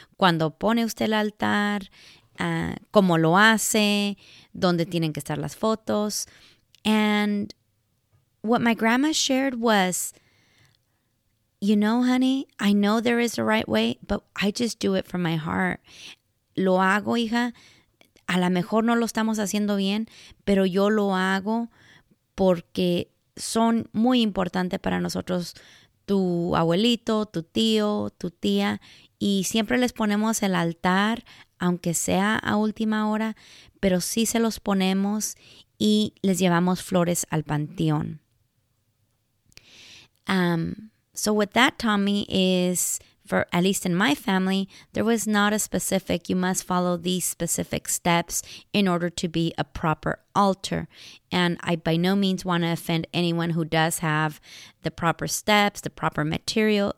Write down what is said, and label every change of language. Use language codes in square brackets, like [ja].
[es] ¿Cuándo pone usted el altar? ¿Cómo lo hace? ¿Dónde tienen que estar las fotos? [en] And what my grandma shared was, you know, honey, I know there is a right way, but I just do it from my heart. [es] Lo hago, hija. A lo mejor no lo estamos haciendo bien, pero yo lo hago porque son muy importantes para nosotros, tu abuelito, tu tío, tu tía, y siempre les ponemos el altar, aunque sea a última hora, pero sí se los ponemos y les llevamos flores al panteón. [en] So what that taught me is, for at least in my family, there was not a specific, you must follow these specific steps in order to be a proper altar. And I by no means want to offend anyone who does have the proper steps, the proper material.